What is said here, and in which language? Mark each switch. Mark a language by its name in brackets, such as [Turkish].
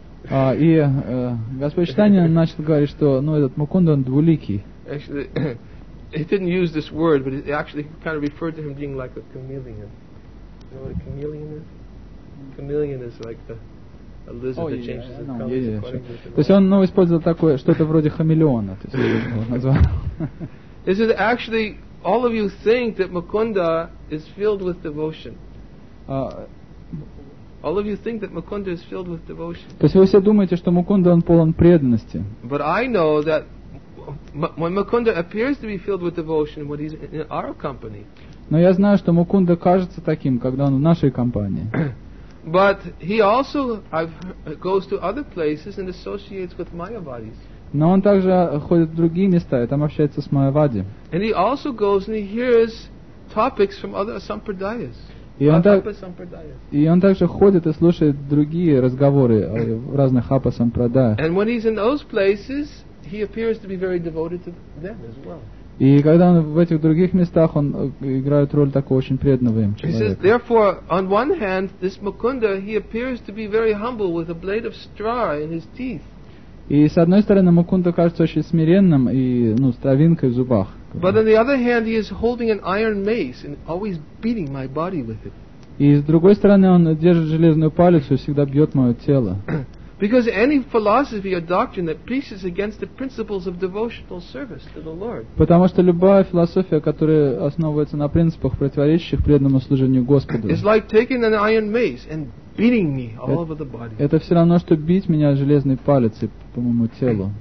[Russian] И Господь Чайтанья начал говорить, что, ну, этот Мукунда, он двуликий. [English] Actually, he didn't use this word, but it actually kind of referred to him being like a chameleon. You know what a chameleon is? A chameleon is like a lizard that changes its colors. [Russian] То есть он, ну, использовал такое, что-то вроде хамелеона. То есть его назвал. [English] Is it actually all of you think that Mukunda is filled with devotion? All of you think that Mukunda is filled with devotion. [Russian] То есть вы все думаете, что Мукунда он полон преданности. [English] But I know that when Mukunda appears to be filled with devotion when he's in our company. [Russian] Но я знаю, что Мукунда кажется таким, когда он в нашей компании. [English] But he also goes to other places and associates with Mayavadis. [Russian] Но он также ходит в другие места и там общается с Майявади. [English] And he also goes and he hears topics from other sampradayas. [Russian] И он также ходит и слушает другие разговоры в разных хапа сампрадаях. И когда он в этих других местах, он играет роль такого очень преданного им человека. [English] He says, therefore, on one hand, this Mukunda, he appears to be very humble with a blade of straw in his teeth. [Russian] И с одной стороны, Мукунда кажется очень смиренным и, ну, с травинкой в зубах. [English] But on the other hand, he is holding an iron mace and always beating my body with it. [Russian] И с другой стороны, он держит железную палец и всегда бьет мое тело. [English] Because any philosophy or doctrine that preaches against the principles of devotional service to the Lord. [Russian] Потому что любая философия, которая основывается на принципах, противоречащих преданному служению Господу. [English] It's like taking an iron mace and beating me all over the body. [Russian] Это все равно, что бить меня железной палицей по моему телу.